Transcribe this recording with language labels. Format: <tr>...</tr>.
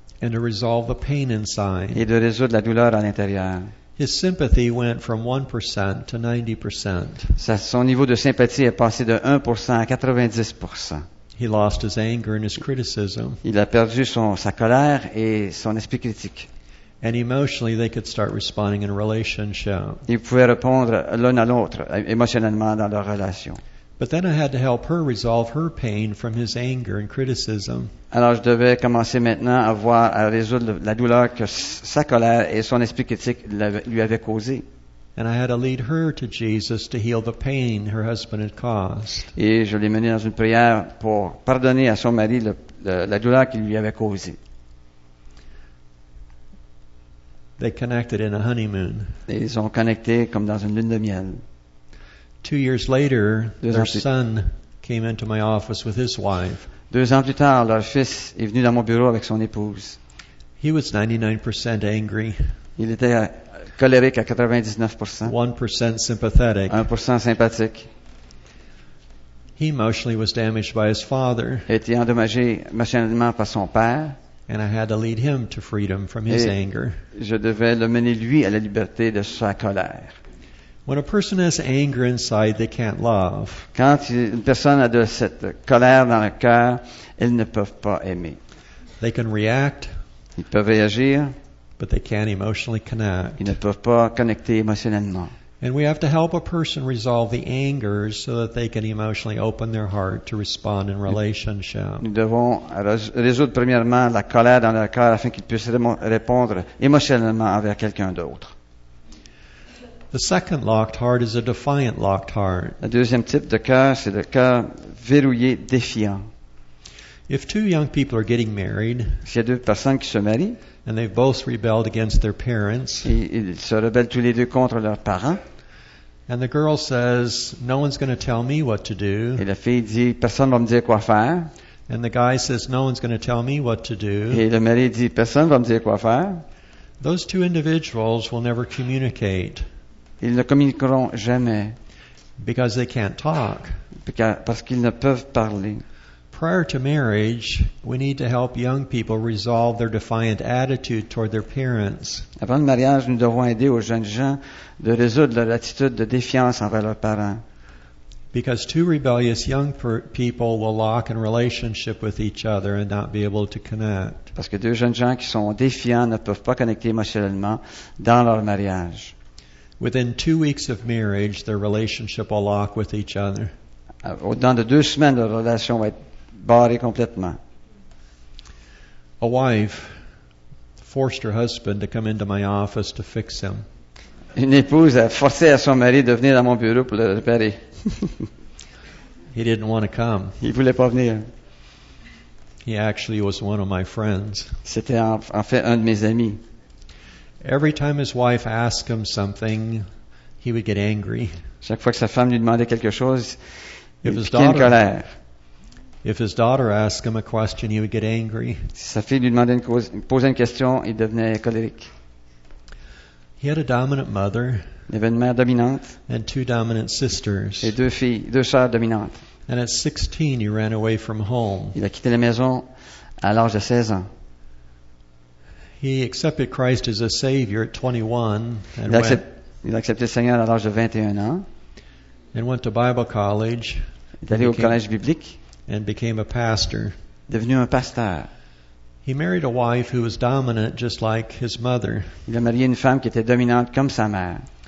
<en>And to resolve the pain inside.</en> <fr>Et de résoudre la douleur à l'intérieur.</fr> <en>His sympathy went from 1% to 90%.</en> <fr>Son niveau de sympathie est passé de 1% à 90%.</fr> <en>He lost his anger and his criticism.</en> <fr>Il a perdu sa colère et son esprit critique.</fr> <en>And emotionally, they could start responding in a relationship.</en> <fr>Ils pouvaient répondre l'un à l'autre émotionnellement dans leur relation.</fr> <en>But then I had to help her resolve her pain from his anger and criticism.</en> <fr>Alors, je devais commencer maintenant à résoudre la douleur que sa colère et son esprit critique lui avaient causé.</fr> <en>And I had to lead her to Jesus to heal the pain her husband had caused.</en> <fr>Et je l'ai menée dans une prière pour pardonner à son mari la douleur qu'il lui avait causée.</fr> <en>They connected in a honeymoon.</en> <fr>Et ils ont connecté comme dans une lune de miel.</fr> <en>2 years later, their son came into my office with his wife.</en> <fr>2 ans plus tard, leur fils est venu dans mon bureau avec son épouse.</fr> <en>He was 99% angry.</en> <fr>Il était colérique à 99%.</fr> <en>1% sympathetic.</en> <fr>1% sympathique.</fr> <en>He emotionally was damaged by his father.</en> <fr>Il était endommagé émotionnellement par son père.</fr> <en>And I had to lead him to freedom from his anger.</en> <fr>Je devais le mener lui à la liberté de sa colère.</fr> <en>When a person has anger inside, they can't love.</en> <fr>Quand une personne a de cette colère dans le cœur, elle ne peut pas aimer.</fr> <en>They can react.</en> <fr>Ils peuvent réagir.</fr> <en>But they can't emotionally connect.</en> <fr>Ils ne peuvent pas connecter émotionnellement.</fr> <en>And we have to help a person resolve the anger so that they can emotionally open their heart to respond in relationship.</en> <fr>Nous devons résoudre premièrement la colère dans leur cœur afin qu'ils puissent répondre émotionnellement envers quelqu'un d'autre.</fr> <en>The second locked heart is a defiant locked heart.</en> <fr>Le deuxième type de cœur, c'est le cœur verrouillé, défiant.</fr> <en>If two young people are getting married,</en> <fr>s'il y a deux personnes qui se marient,</fr> <en>and they've both rebelled against their parents,</en> <fr>et ils se rebellent tous les deux contre leurs parents,</fr> <en>and the girl says, no one's going to tell me what to do,</en> <fr>et la fille dit, personne va me dire quoi faire,</fr> <en>And the guy says, no one's going to tell me what to do.</en> <fr>Et le mari dit, personne va me dire quoi faire.</fr> <en>Those two individuals will never communicate.</en> <fr>Ils ne communiqueront jamais.</fr> <en>Because they can't talk.</en> <fr>Parce qu'ils ne peuvent parler.</fr> <en>Prior to marriage, we need to help young people resolve their defiant attitude toward their parents.</en> <fr>Avant le mariage, nous devons aider aux jeunes gens de résoudre leur attitude de défiance envers leurs parents.</fr> <en>Because two rebellious young people will lock in relationship with each other and not be able to connect.</en> <fr>Parce que deux jeunes gens qui sont défiants ne peuvent pas connecter émotionnellement dans leur mariage.</fr> <en>Within 2 weeks of marriage, their relationship will lock with each other.</en> <fr>Dans de deux semaines, leur relation va être barrée complètement.</fr> <en>A wife forced her husband to come into my office to fix him.</en> <fr>Une épouse a forcé à son mari de venir dans mon bureau pour le réparer.</fr> <en>He didn't want to come.</en> <fr>Il voulait pas venir.</fr> <en>He actually was one of my friends.</en> <fr>C'était en fait un de mes amis.</fr> <en>Every time his wife asked him something, he would get angry.</en> <fr>Chaque fois que sa femme lui demandait quelque chose,</fr> <en>if</en> <fr>il piquait en colère.</fr> <en>If his daughter asked him a question, he would get angry.</en> <fr>Si sa fille lui demandait posait une question, il devenait colérique.</fr> <en>He had a dominant mother.</en> <fr>Il avait une mère dominante.</fr> <en>And two dominant sisters.</en> <fr>Et deux filles, deux sœurs dominantes.</fr> <en>And at 16, he ran away from home.</en> <fr>Il a quitté la maison à l'âge de 16 ans.</fr> <en>He accepted Christ as a savior at 21 and</en> <fr>il a accepté le Seigneur à l'âge de 21 ans.</fr> <en>And went to Bible college.</en> <fr>Il est allé au collège biblique.</fr> <en>And became a pastor.</en> <fr>Devenu un pasteur.</fr> <en>He married a wife who was dominant just like his mother.</en> <fr>Il a marié une femme qui était dominante comme sa mère.</fr>